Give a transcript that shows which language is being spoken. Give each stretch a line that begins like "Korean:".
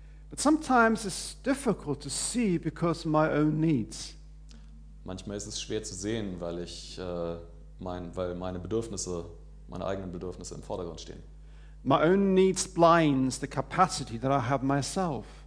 English: But sometimes it's difficult to see because of my own needs.
German: Manchmal ist es schwer zu sehen, weil meine Bedürfnisse, meine eigenen Bedürfnisse im Vordergrund stehen.
English: My own needs blinds the capacity that I have myself.